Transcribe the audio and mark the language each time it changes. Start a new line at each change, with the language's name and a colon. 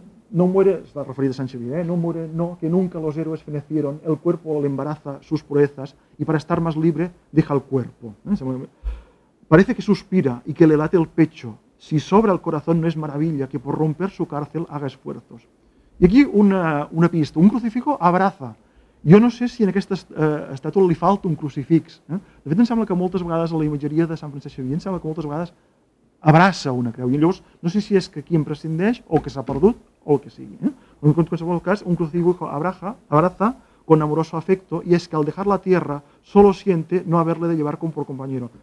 Spanish: No muere,
Catalan: està referida a Sant Xavier,
Spanish: no muere, no, que nunca los héroes fenecieron, el cuerpo le embaraza sus proezas, y para estar más libre, deja el cuerpo. Parece que suspira y que le late el pecho. Si sobra el corazón, no es maravilla que por romper su cárcel haga esfuerzos.
Catalan: I aquí una pista,
Spanish: un crucifijo abraza.
Catalan: Jo no sé si en aquesta estàtua li falta un crucifix. De fet, em sembla que moltes vegades a la imatgeria de Sant Francesc Xavier em sembla que moltes vegades abraça una creu. I llavors, no sé si és que aquí em prescindeix, o que s'ha perdut, o el que sigui. En qualsevol cas,
Spanish: un crucifijo abraza con amoroso afecto, y es que al dejar la tierra solo siente no haberle de llevar como por compañero.